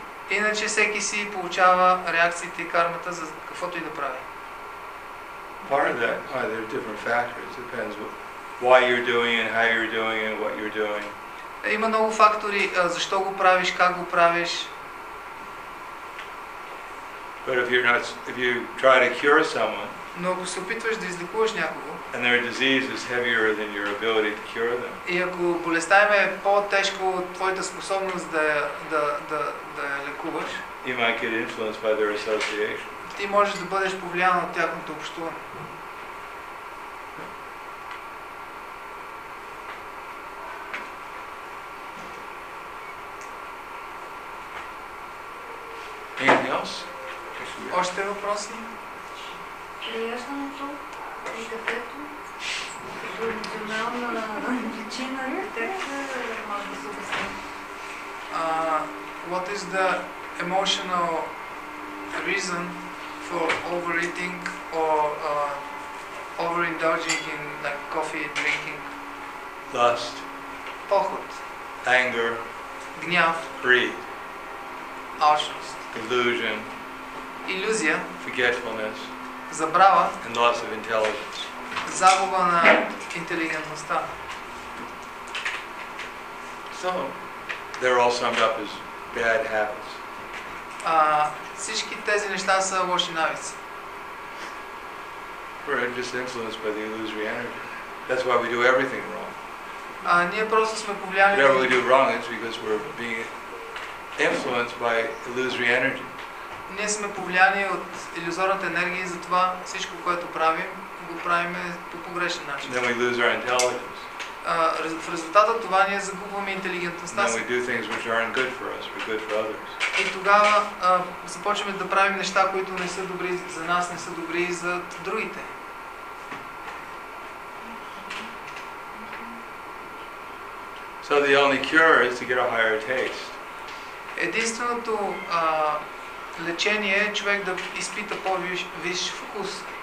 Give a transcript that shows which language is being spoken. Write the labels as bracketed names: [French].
[Bulgarian] Иначе всеки си получава реакциите и кармата за каквото и да прави. [English] Part of that, there are different factors. It depends why you're doing it, how you're doing it, what you're doing. [Bulgarian] Има много фактори, защо го правиш, как го правиш. [English] But if you try to cure someone, [Bulgarian] но ако се опитваш да излекуваш някого, [English] and their disease is heavier than your ability to cure them, [Bulgarian] и ако болестта им е по-тежко от твоята способност да я лекуваш, [English] you might get influenced by their association. [Bulgarian] Ти можеш да бъдеш повлиян от тяхното общуване. [English] Anything else? [Bulgarian] Още въпроси? Приясното и детето като емоционална причина детето е малко [English] What is the emotional reason for overeating or overindulging in like coffee drinking? Lust. [Bulgarian] Поход. [English] Anger. [Bulgarian] Гняв. [English] Greed. [Bulgarian] Алчност. [English] Delusion. [Bulgarian] Иллюзия. [English] Forgetfulness. [Bulgarian] Забрава. [English] And loss of intelligence. [Bulgarian] Загуба на интелигентността. [English] So they're all summed up as bad habits. [Bulgarian] Всички тези неща са лоши навици. [English] We're just influenced by the illusory energy. That's why we do everything wrong. [Bulgarian] Ние просто сме повлияни. [English] Whatever we do wrong is because we're being influenced by illusory energy. [Bulgarian] Ние сме повлияни от илюзорната енергия и затова всичко, което правим, го правим по погрешен начин. [English] Then we lose our intelligence. [Bulgarian] В резултат от това ние загубваме интелигентността си. [English] Then we do things which aren't good for us, but good for others. [Bulgarian] И тогава започваме да правим неща, които не са добри за нас, не са добри и за другите. [English] So the only cure is to get a higher taste. [Bulgarian] Единственото лечение е човек да изпита по-висш вкус.